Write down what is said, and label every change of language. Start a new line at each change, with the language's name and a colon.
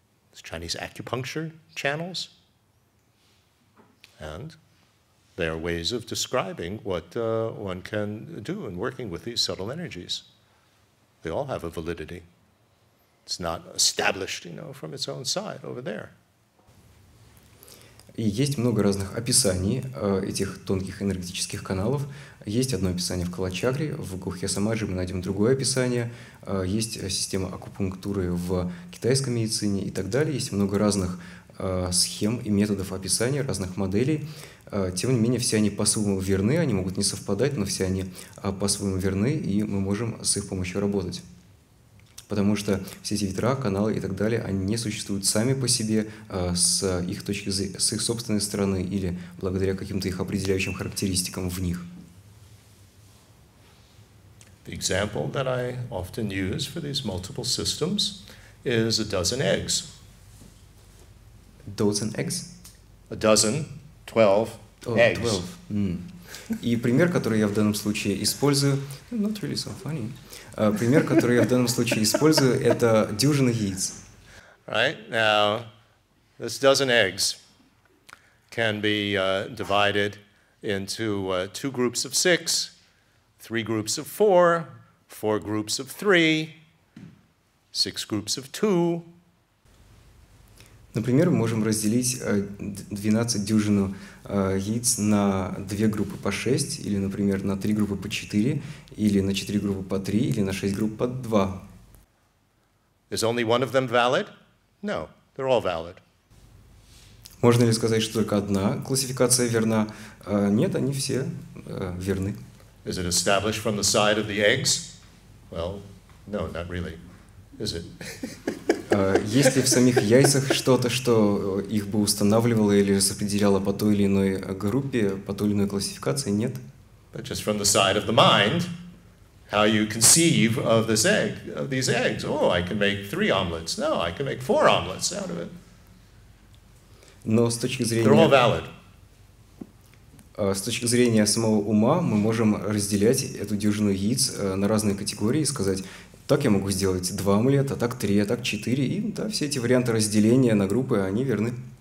English: There's Chinese acupuncture channels. And there are ways of describing what one can do in working with these subtle energies. They all have a validity. It's not established, you know, from its own side over there.
Russian: И есть много разных описаний этих тонких энергетических каналов. Есть одно описание в Калачакре, в Гухья Самаджи мы найдем другое описание. Есть система акупунктуры в китайской медицине и так далее. Есть много разных схем и методов описания, разных моделей. Тем не менее, все они по-своему верны, они могут не совпадать, но все они по-своему верны, и мы можем с их помощью работать. Потому что все эти ветра, каналы и так далее, они не существуют сами по себе с их точки зрения, с их собственной стороны или благодаря каким-то их определяющим характеристикам в них.
English: The example that I often use for these multiple systems is a dozen eggs. Dozen eggs? A dozen, 12 eggs.
Russian: 12. И пример, который я в данном случае использую,
English: not really so funny.
Russian: Пример, который я в данном случае использую, это дюжина яиц.
English: Right now, this dozen eggs can be divided into two groups of six, three groups of four, four groups of three, six groups of two.
Russian: Например, мы можем разделить 12 дюжину яиц на две группы по 6, или, например, на три группы по 4, или на четыре группы по 3, или на шесть групп по 2.
English: Is only one of them valid? No, they're all valid.
Russian: Можно ли сказать, что только одна классификация верна? Нет, они все верны.
English: Is it established from the side of the eggs? Well, no, not really. Is it?
Russian: Есть ли в самих яйцах что-то, что их бы устанавливало или определяло по той или иной группе, по той или иной классификации? Нет.
English: But just from the side of the mind, how you conceive of this egg, of these eggs. Oh, I can make three omelets. No, I can make four omelets out of it.
Russian: Но с точки зрения...
English: They're all valid.
Russian: С точки зрения самого ума мы можем разделять эту дюжину яиц на разные категории и сказать, так я могу сделать 2 омлета, так 3, так 4, и да, все эти варианты разделения на группы, они верны.